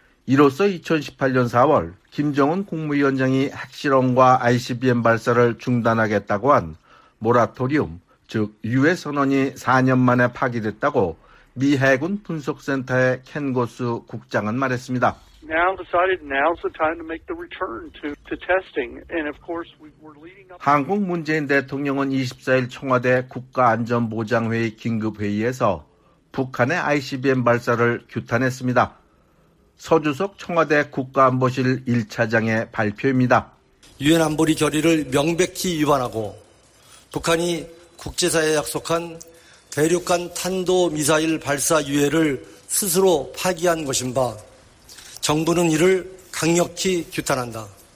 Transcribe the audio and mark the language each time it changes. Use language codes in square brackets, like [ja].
[ko] 이로써 2018년 4월 김정은 국무위원장이 핵실험과 ICBM 발사를 중단하겠다고 한 모라토리움, 즉 유해 선언이 4년 만에 파기됐다고 미 해군 분석센터의 켄 고스 국장은 말했습니다. [en] Now decided now's the time to make the return to testing. And of course, we were leading up. [ko] 한국 문재인 대통령은 24일 청와대 국가안전보장회의 긴급회의에서 북한의 ICBM 발사를 규탄했습니다. 서주석 청와대 국가안보실 1차장의 발표입니다. 유엔 안보리 결의를 명백히 위반하고 북한이 국제사회에 약속한 대륙간 탄도미사일 발사 유예를 스스로 파기한 것인 바 정부는 이를 강력히 규탄한다.